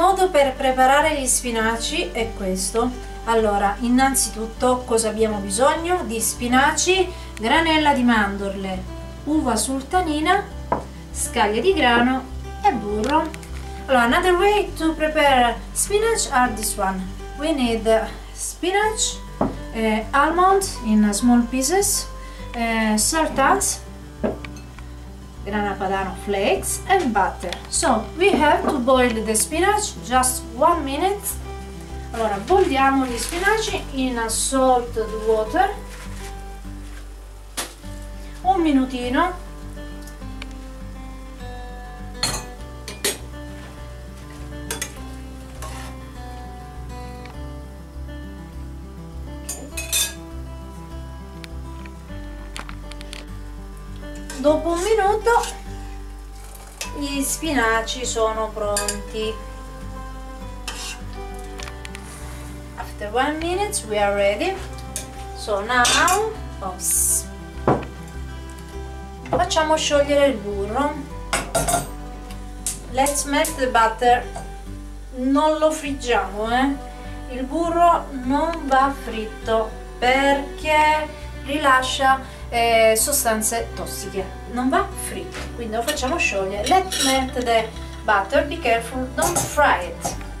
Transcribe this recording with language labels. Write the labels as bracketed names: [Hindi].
[Italian] per preparare gli spinaci è questo. Allora, innanzitutto cosa abbiamo bisogno? Di spinaci, granella di mandorle, uva sultanina, scaglie di grano e burro. Allora, [English] another way to prepare spinach are this one. We need spinach, almond in small pieces, sultans, grana padano flakes and butter. So we have to boil the spinach just 1 minute. [Italian] Allora bolliamo gli spinaci [English] in salted water [Italian] un minutino. Dopo un minuto gli spinaci sono pronti. [English] After 1 minute we are ready. So now [Italian] facciamo sciogliere il burro. [English] Let's melt the butter. [Italian] Non lo friggiamo, Il burro non va fritto perché rilascia sostanze tossiche, non va fritto, quindi lo facciamo sciogliere. [English] Let's melt the butter, be careful, don't fry it.